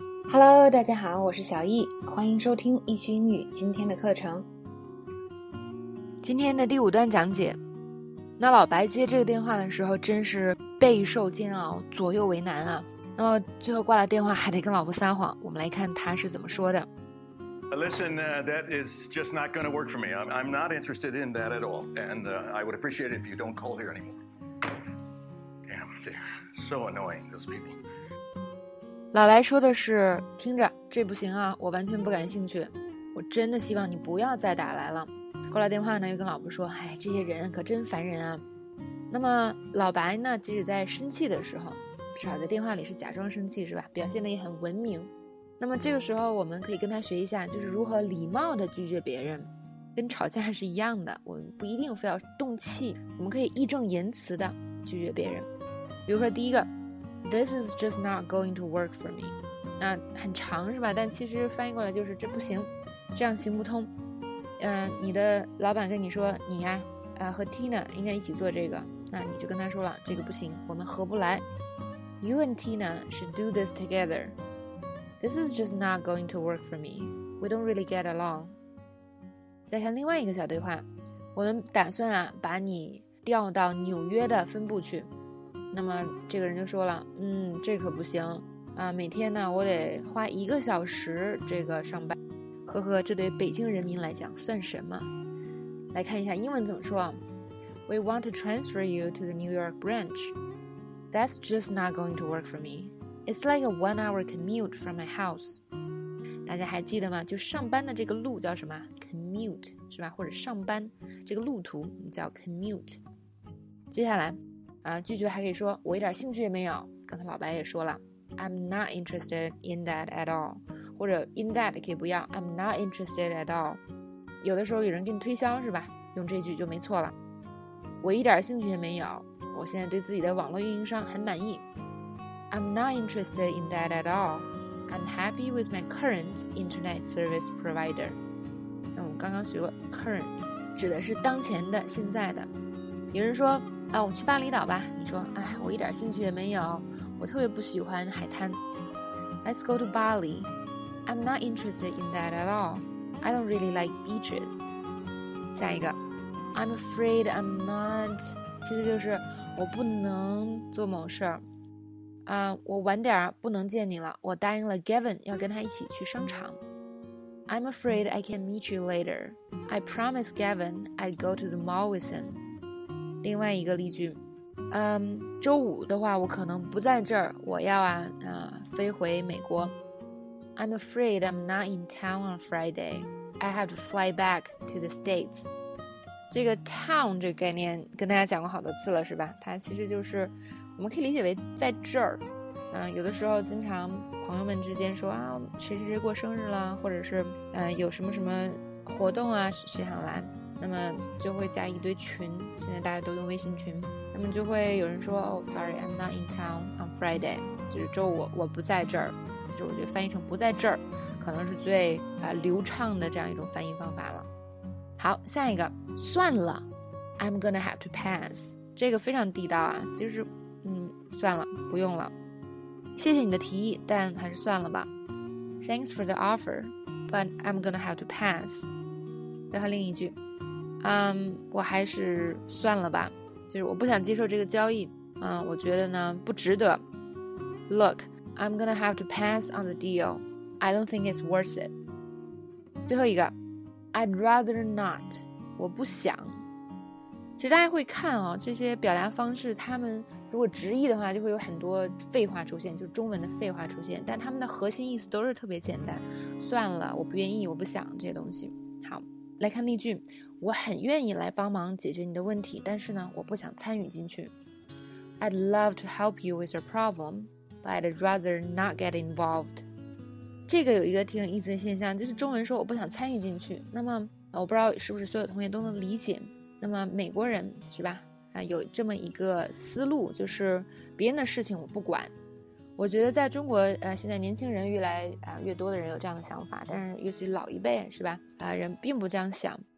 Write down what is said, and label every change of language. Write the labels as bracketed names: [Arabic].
[English] Hello， [Chinese] 大家好，我是小易，欢迎收听易趣英语今天的课程。今天的第五段讲解，那老白接这个电话的时候真是备受煎熬，左右为难啊。那么最后挂了电话还得跟老婆撒谎，我们来看他是怎么说的。 [English] Listen, that is just not going to work for me. I'm not interested in that at all. And I would appreciate it if you don't call here anymore. Damn, they're so annoying, those people. [Chinese] 老白说的是，听着，这不行啊，我完全不感兴趣。我真的希望你不要再打来了。挂了电话呢，又跟老婆说，哎，这些人可真烦人啊。那么老白呢，即使在生气的时候，至少在电话里是假装生气是吧，表现得也很文明。那么这个时候我们可以跟他学一下，就是如何礼貌地拒绝别人，跟吵架是一样的，我们不一定非要动气，我们可以义正言辞地拒绝别人。比如说第一个， [English] This is just not going to work for me， [Chinese] 那很长是吧，但其实翻译过来就是这不行，这样行不通。你的老板跟你说你呀、和 Tina 应该一起做这个，那你就跟他说了，这个不行，我们合不来。 [English] You and Tina should do this together. This is just not going to work for me. We don't really get along. [Chinese] 再看另外一个小对话，我们打算啊把你调到纽约的分部去。那么这个人就说了，这可不行啊、每天呢我得花一个小时这个上班，呵呵，这对北京人民来讲算什么。来看一下英文怎么说， [English] We want to transfer you to the New York branch. That's just not going to work for me. It's like a 1 hour commute from my house. [Chinese] 大家还记得吗，就上班的这个路叫什么， commute 是吧，或者上班这个路途叫 commute。接下来拒绝还可以说我一点兴趣也没有，刚才老白也说了， [English] I'm not interested in that at all， [Chinese] 或者 [English] in that [Chinese] 可以不要， [English] I'm not interested at all。 [Chinese] 有的时候有人给你推销是吧，用这句就没错了，我一点兴趣也没有，我现在对自己的网络运营商很满意。 [English] I'm not interested in that at all. I'm happy with my current internet service provider。 [Chinese] 那我们刚刚学过 current 指的是当前的现在的。有人说啊，我们去巴厘岛吧，你说哎，我一点兴趣也没有，我特别不喜欢海滩。 [English] Let's go to BaliI'm not interested in that at all. I don't really like beaches. [Chinese] 下一个， [English] I'm afraid I'm not. [Chinese] 其实就是我不能做某事儿。我晚点不能见你了。我答应了 Gavin 要跟他一起去商场。 [English] I'm afraid I can't meet you later. I promised Gavin I'd go to the mall with him. [Chinese] 另外一个例句，周五的话我可能不在这儿，我要飞回美国。 [English] I'm afraid I'm not in town on Friday. I have to fly back to the States. [Chinese] 这个 town 这个概念跟大家讲过好多次了是吧，它其实就是我们可以理解为在这儿。有的时候经常朋友们之间说啊，谁谁谁过生日啦，或者是有什么什么活动啊，谁想来，那么就会加一堆群，现在大家都用微信群，那么就会有人说 [English] Oh sorry I'm not in town on Friday， [Chinese] 就是周五我不在这儿。其实我觉得翻译成不在这儿可能是最流畅的这样一种翻译方法了。好，下一个，算了， [English] I'm gonna have to pass， [Chinese] 这个非常地道啊，就是算了，不用了，谢谢你的提议，但还是算了吧。 [English] Thanks for the offer but I'm gonna have to pass。 [Chinese] 再和另一句，我还是算了吧，就是我不想接受这个交易，我觉得呢不值得。 [English] Look, I'm gonna have to pass on the deal. I don't think it's worth it. [Chinese] 最后一个， [English] I'd rather not. [Chinese] 我不想。其实大家会看哦，这些表达方式，他们如果直译的话，就会有很多废话出现，就是中文的废话出现，但他们的核心意思都是特别简单，算了，我不愿意，我不想这些东西。好，来看例句，我很愿意来帮忙解决你的问题，但是呢，我不想参与进去。 [English] I'd love to help you with your problem, but I'd rather not get involved. [Chinese] 这个有一个挺有意思的现象，就是中文说我不想参与进去，那么我不知道是不是所有同学都能理解，那么美国人是吧，有这么一个思路，就是别人的事情我不管。我觉得在中国现在年轻人越来越多的人有这样的想法，但是尤其老一辈是吧，人并不这样想，